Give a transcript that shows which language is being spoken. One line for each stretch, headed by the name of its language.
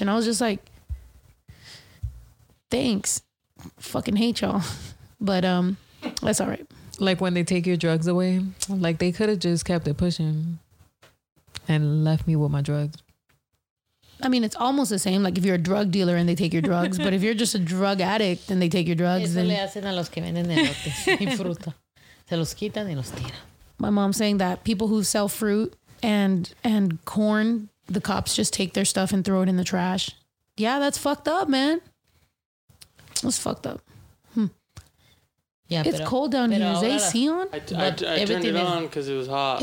English: And I was just like, thanks. Fucking hate y'all. But that's all right. Like when they take your drugs away, like they could have just kept it pushing and left me with my drugs. I mean, it's almost the same. Like if you're a drug dealer and they take your drugs, but if you're just a drug addict and they take your drugs.
Spanish: Eso le hacen a los que venden elotes y fruta. Se los quitan y los tiran.
English: My mom's saying that people who sell fruit and corn, the cops just take their stuff and throw it in the trash. Yeah, that's fucked up, man. That's fucked up. Yeah, it's cold down here. Is AC on? I turned it on because it was hot.